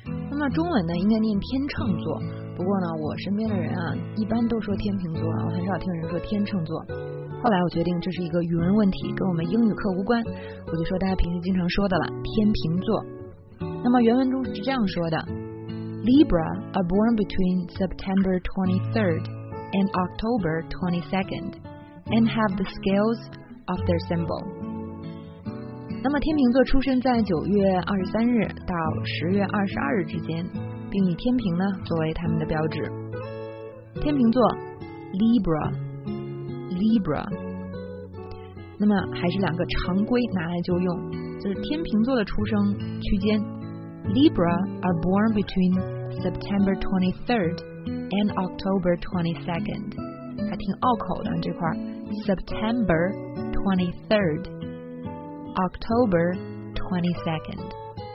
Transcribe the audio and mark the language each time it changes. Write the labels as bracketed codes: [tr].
[zh] 那么中文呢，应该念天秤座。不过呢，我身边的人啊，一般都说天秤座，我很少听人说天秤座。后来我决定这是一个语文问题，跟我们英语课无关，我就说大家平时经常说的了，天秤座。那么原文中是这样说的 [en] ：Libra are born between September 23rd and October 22nd and have the scales of their symbol。 [zh] 那么天秤座出生在9月23日到10月22日之间，并以天平呢作为他们的标志。天秤座 Libra， 那么还是两个常规拿来就用，就是天秤座的出生区间 [en] Libra are born between September 23rd and October 22nd， [zh] 还挺拗口的这块 [en] September 23rd October 22nd。